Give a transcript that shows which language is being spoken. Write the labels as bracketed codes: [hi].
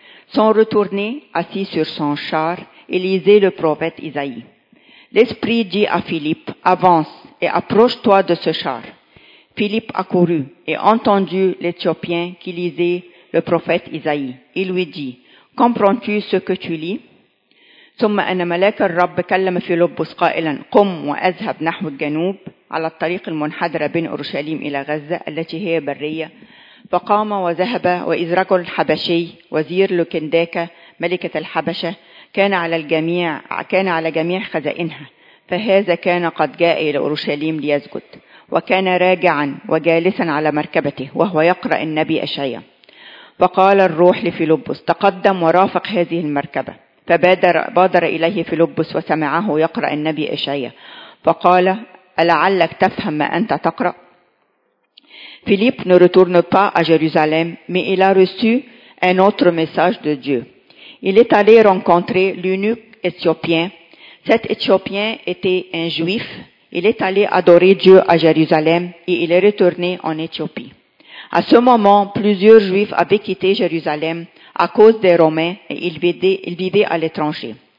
[fr] Sont retournés, assis sur son char, et lisez le prophète Isaïe. L'Esprit dit à Philippe, « Avance et approche-toi de ce char. » Philippe a couru et entendu l'Éthiopien qui lisait le prophète Isaïe. Il lui dit, « Comprends-tu ce que tu lis ?» [ar] ثم أن ملاك الرب كلم فيلبس قائلا قم وأذهب نحو الجنوب على الطريق المنحدر بين أورشليم إلى غزة التي هي برية فقام وذهب وإذ رجل حبشي وزير لوكنداكا ملكة الحبشة كان على جميع خزائنها فهذا كان قد جاء إلى أورشليم ليسجد وكان راجعا وجالسا على مركبته وهو يقرأ النبي إشعياء فقال الروح لفيلبس تقدم ورافق هذه المركبة فبادر إليه فيلبس وسمعه يقرأ النبي إشعياء فقال ألعلك تفهم ما أنت تقرأ؟ [fr] Philippe ne retourne pas à Jérusalem, mais il a reçu un autre message de Dieu. Il est allé rencontrer l'eunuque éthiopien. Cet éthiopien était un juif. Il est allé adorer Dieu à Jérusalem et il est retourné en Éthiopie. À ce moment, plusieurs juifs avaient quitté Jérusalem à cause des Romains et ils vivaient à l'étranger.